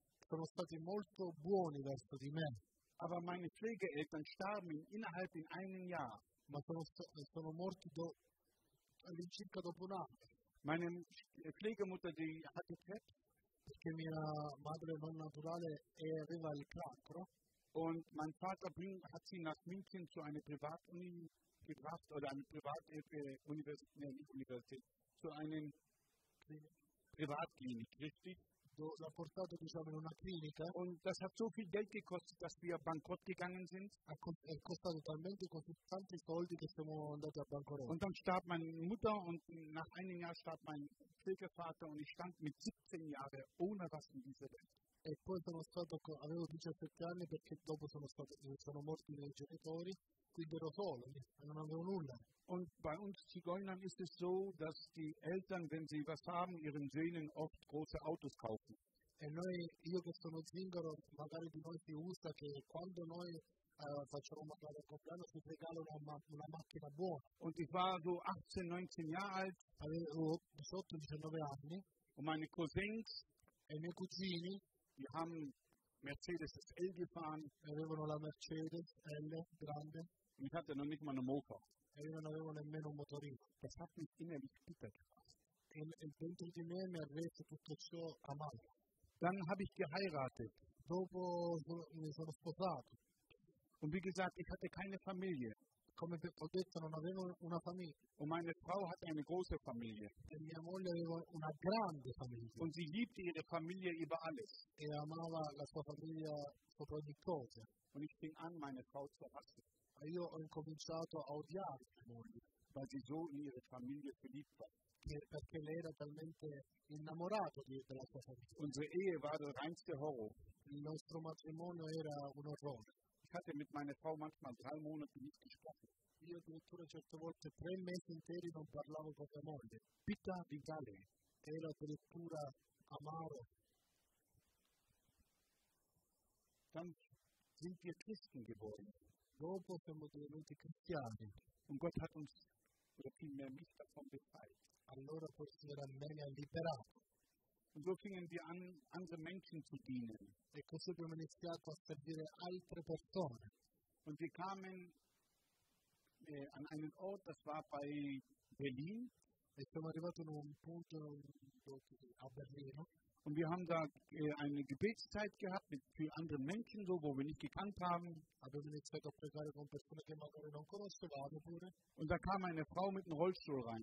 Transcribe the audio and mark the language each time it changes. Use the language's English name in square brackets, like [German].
[Italian] Sono stati molto buoni verso di me. [German] Aber meine Pflegeeltern starben innerhalb in einem Jahr. [Italian] Ma sono morti all'incirca dopo un anno. [German] Meine Pflegemutter, die hatte Krebs. [Italian] Perché mia madre non naturale aveva il cancro. [German] Und mein Vater hat sie nach München zu einer Privatuni gebracht, oder eine Privatuniversität, zu einem Privatklinik, richtig? [Italian] L'ha portato, diciamo, in una clinica. [German] Und das hat so viel Geld gekostet, dass wir bankrott gegangen sind. [Italian] È costato talmente così tanti soldi che siamo andati a bankrott. [German] Und dann starb meine Mutter und nach einem Jahr starb mein Pflegevater und ich stand mit 17 Jahren ohne was in dieser Welt. [Italian] E poi sono stato, avevo 17 anni perché dopo sono morti i miei genitori, quindi ero solo, non avevo nulla. [German] Und bei uns Zigeunern ist es so, dass die Eltern, wenn sie was haben, ihren Söhnen oft große Autos kaufen. [Italian] E noi, io che sono zingaro, magari di noi si usa che quando noi facciamo magari un compleanno si regalano una macchina buona. [German] Und ich war so 18, 19 Jahre alt. [Italian] Avevo 18, 19 anni. [German] Und meine Cousins. [Italian] E i miei cugini. [German] Die haben Mercedes SL gefahren. [Italian] Avevano la Mercedes L grande. [German] Und ich hatte noch nicht mal eine Mofa. [Italian] E io non avevo nemmeno un motorino. [German] Das hat mich innerlich bitter gemacht. [Italian] E dentro di me mi ha reso tutto ciò amaro. [German] Dann habe ich geheiratet. [Italian] Dopo mi sono sposato. [German] Und wie gesagt, ich hatte keine Familie. [Italian] Come ho detto, non avevo una famiglia. [German] Und meine Frau hatte eine große Familie. [Italian] E mia moglie aveva una grande famiglia. [German] Und sie liebte ihre Familie über alles. [Italian] E amava la sua famiglia sopra ogni cosa. [German] Und ich fing an, meine Frau zu hassen. [Italian] E io ho incominciato a odiare mia moglie. [German] Weil sie so in ihre Familie verliebt war. [Italian] Perché lei era talmente innamorata della sua famiglia. [German] Unsere Ehe war der reinste Horror. [Italian] Il nostro matrimonio era un orrore. [German] Ich hatte mit meiner Frau manchmal 3 Monate nicht gesprochen. [Italian] Io addirittura certe volte 3 mesi interi non parlavo con mia moglie. Bitter vitale. Era addirittura amaro. [German] Dann sind wir Christen geworden. [Italian] Dopo siamo divenuti cristiani. [German] Und Gott hat uns, oder vielmehr mich, davon befreit. [Italian] Allora forse era meglio liberato. [German] Und so fingen wir an, andere Menschen zu dienen. [Italian] E così abbiamo iniziato a servire altre persone. [German] Und wir kamen an einen Ort, das war bei Berlin. [Italian] E siamo arrivati in un punto a Berlino. [German] Und wir haben da eine Gebetszeit gehabt mit vielen anderen Menschen, so, wo wir nicht gekannt haben. Und da kam eine Frau mit einem Rollstuhl rein.